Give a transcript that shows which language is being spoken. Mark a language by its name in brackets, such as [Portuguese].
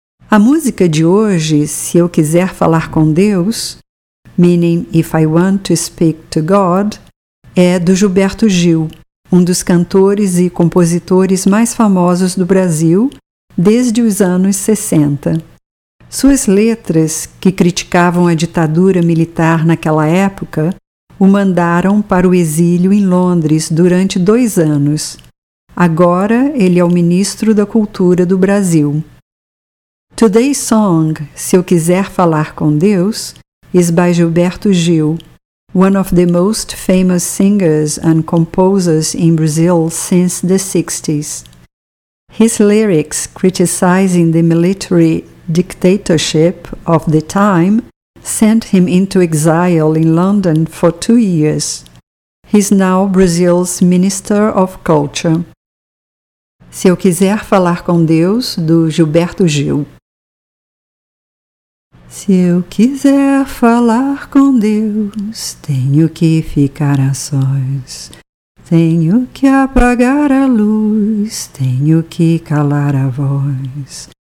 [Portuguese] A música de hoje, se eu quiser falar com Deus, [English] meaning if I want to speak to God, [Portuguese] é do Gilberto Gil, um dos cantores e compositores mais famosos do Brasil desde os anos 60. Suas letras, que criticavam a ditadura militar naquela época, o mandaram para o exílio em Londres durante 2 anos. Agora ele é o ministro da Cultura do Brasil. [English] Today's song, Se Eu Quiser Falar Com Deus, is by Gilberto Gil, one of the most famous singers and composers in Brazil since the 60s. His lyrics, criticizing the military dictatorship of the time, sent him into exile in London for 2 years. He's now Brazil's Minister of Culture. [Portuguese] Se Eu Quiser Falar Com Deus, do Gilberto Gil. Se eu quiser falar com Deus, tenho que ficar a sós. Tenho que apagar a luz, tenho que calar a voz.